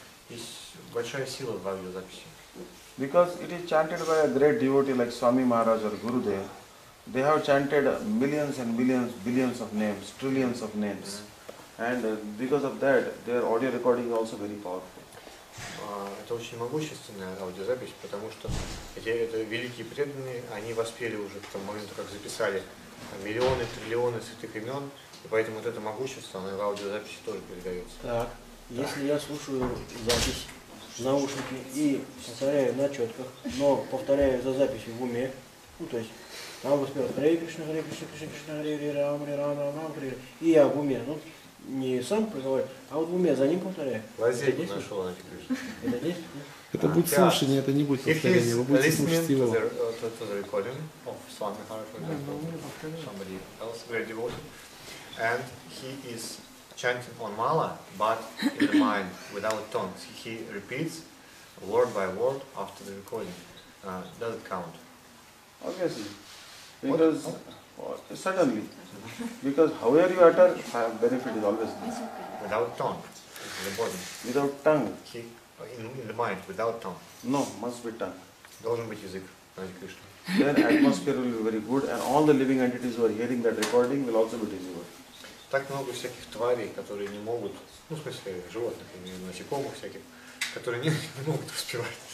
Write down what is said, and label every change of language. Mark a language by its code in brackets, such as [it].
[en] Is [ru] большая сила в аудиозаписи. [en] Because it is chanted by a great devotee like Swami Maharaj or Gurudev. They have chanted millions and millions, billions of names, trillions of names. And because of that, their audio recording is also very powerful. [ru] Это очень могущественная аудиозапись, потому что эти великие преданные, они воспели уже к тому моменту, как записали миллионы, триллионы святых имен, и поэтому вот это могущество, оно и в аудиозаписи тоже передается. Так, если я слушаю запись в наушнике и повторяю на четках, но повторяю за записью в уме, ну то есть, там воспел Хре Кришна, Хре Кришна, Кришна Кришна, Хре Хре, Рам Хре, Рам Рам Рам Хре, и я в уме, ну, не сам проговорю, а вот в уме за ним повторяю. Лазейку нашел на эти Кришны. Это действует? Это будет слушание, это не будет повторение, вы будете слушать его. [en] To the recording of Swami Maharaj, for example, somebody else, great devotee, and he is chanting on mala, but in the mind, without tongues. He repeats word by word after the recording. Does it count? Obviously. Because, certainly, because however you utter, benefit is always there. Without tongue, in the body. Without tongue. In the mind, without tongue. No, must be tongue. [ru] Должен быть язык, Hare Krishna. [en] Then atmosphere will be very good, and all the living entities who are hearing that recording will also be delivered. [ru] Так много всяких тварей, которые не могут, ну, в смысле, животных, насекомых всяких, которые не могут успевать.